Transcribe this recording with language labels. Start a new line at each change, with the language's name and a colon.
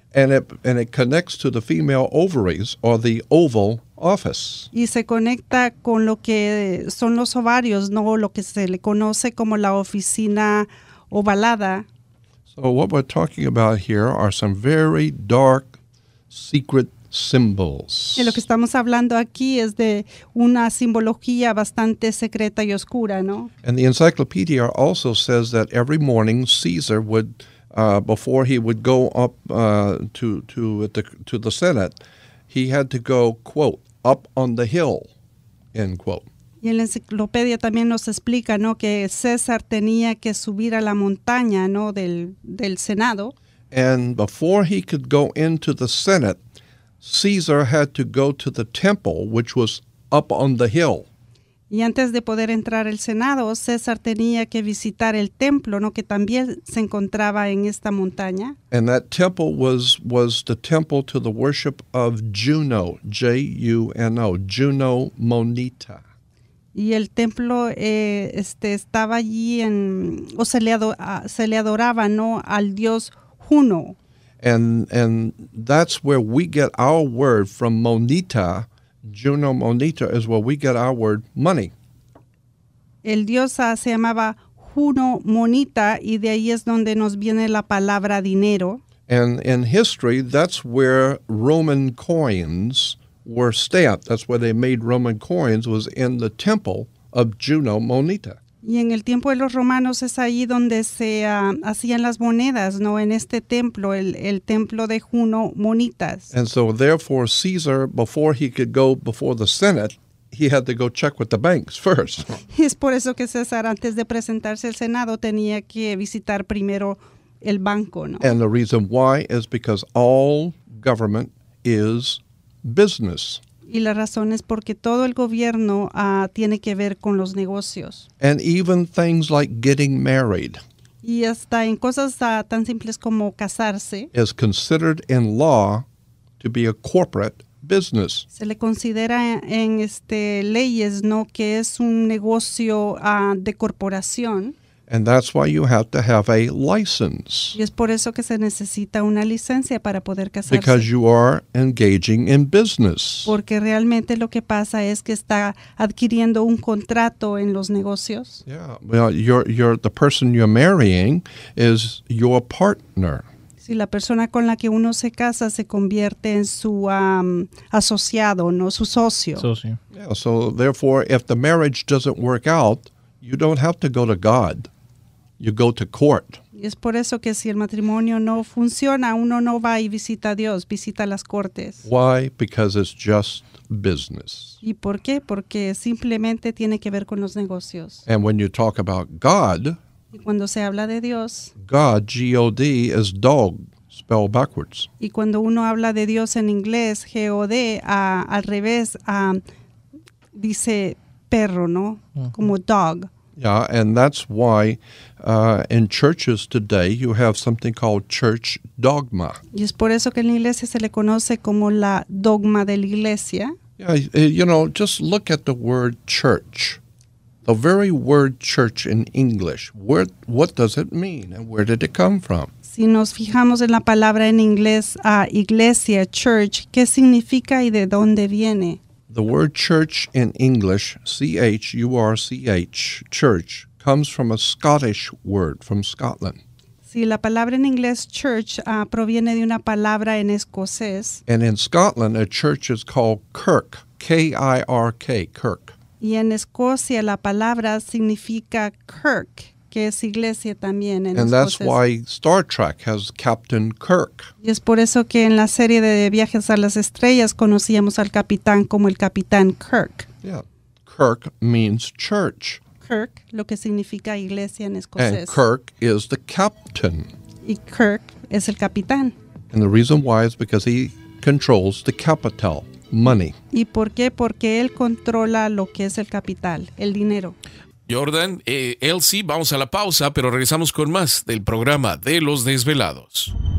English: And it connects to the female ovaries or the oval office.
Spanish: Y se conecta con lo que son los ovarios, no lo que se le conoce como la oficina ovalada.
English: So what we're talking about here are some very dark secret symbols.
Spanish: Y lo que estamos hablando aquí es de una simbología bastante secreta y oscura, ¿no?
English: And the encyclopedia also says that every morning Caesar would, before he would go up to the Senate, he had to go, quote, up on the hill, end quote.
Spanish: Y la enciclopedia también nos explica, ¿no? Que César tenía que subir a la montaña, ¿no? Del Senado.
English: And before he could go into the Senate, Caesar had to go to the temple, which was up on the hill.
Spanish: Y antes de poder entrar al Senado, César tenía que visitar el templo, ¿no? Que también se encontraba en esta montaña.
English: And that temple was the temple to the worship of Juno, J-U-N-O, Juno Monita.
Spanish: Y el templo estaba allí en, o se le adoraba, ¿no? Al dios Juno.
English: And that's where we get our word from Monita. Juno Monita is where we get our word money.
Spanish: El dios se llamaba Juno Monita, y de ahí es donde nos viene la palabra dinero.
English: And in history, that's where Roman coins were stamped. That's where they made Roman coins, was in the temple of Juno Monita.
Spanish: Y en el tiempo de los romanos es ahí donde se hacían las monedas, ¿no? En este templo, el templo de Juno Monitas.
English: And so therefore Caesar, before he could go before the Senate, he had to go check with the banks first.
Spanish: Es por eso que César, antes de presentarse al Senado, tenía que visitar primero el banco, ¿no?
English: And the reason why is because all government is business.
Spanish: Y la razón es porque todo el gobierno tiene que ver con los negocios.
English: And even things like getting married.
Spanish: Y hasta en cosas tan simples como casarse.
English: Is considered in law to be a corporate business.
Spanish: Se le considera en leyes, ¿no?, que es un negocio de corporación.
English: And that's why you have to have a license.
Spanish: Y es por eso que se necesita una licencia para poder casarse.
English: Because you are engaging in business.
Spanish: Porque realmente lo que pasa es que está adquiriendo un contrato en los negocios.
English: Yeah, well, you're the person you're marrying is your partner.
Spanish: Si la persona con la que uno se casa se convierte en su asociado, ¿no?, su socio. Socio.
English: Yeah, so therefore, if the marriage doesn't work out, you don't have to go to God. You go to court.
Spanish: Y es por eso que si el matrimonio no funciona, uno no va y visita a Dios, visita las cortes.
English: Why? Because it's just business.
Spanish: ¿Y por qué? Porque simplemente tiene que ver con los negocios.
English: And when you talk about God,
Spanish: y cuando se habla de Dios,
English: God, G-O-D, is dog, spelled backwards.
Spanish: Y cuando uno habla de Dios en inglés, G-O-D, al revés, dice perro, ¿no? Como dog.
English: Yeah, and that's why in churches today you have something called church dogma.
Spanish: Y es por eso que en la iglesia se le conoce como la dogma de la iglesia.
English: Yeah, you know, just look at the word church. The very word church in English. What does it mean and where did it come from?
Spanish: Si nos fijamos en la palabra en inglés, iglesia, church, ¿qué significa y de dónde viene?
English: The word church in English, C-H-U-R-C-H, church, comes from a Scottish word, from Scotland.
Spanish: Sí, la palabra en inglés, church, proviene de una palabra en escocés.
English: And in Scotland, a church is called kirk, K-I-R-K, kirk.
Spanish: Y en Escocia, la palabra significa kirk, que es iglesia también en
English: And
Spanish: escocés.
English: That's why Star Trek has Captain Kirk.
Spanish: Y es por eso que en la serie de Viajes a las Estrellas conocíamos al capitán como el Capitán Kirk.
English: Yeah. Kirk means church.
Spanish: Kirk, lo que significa iglesia en escocés.
English: And Kirk is the captain.
Spanish: Y Kirk es el capitán.
English: And the reason why is because he controls the capital, money.
Spanish: ¿Y por qué? Porque él controla lo que es el capital, el dinero. Jordan, Elsie, vamos a la pausa, pero regresamos con más del programa de Los Desvelados.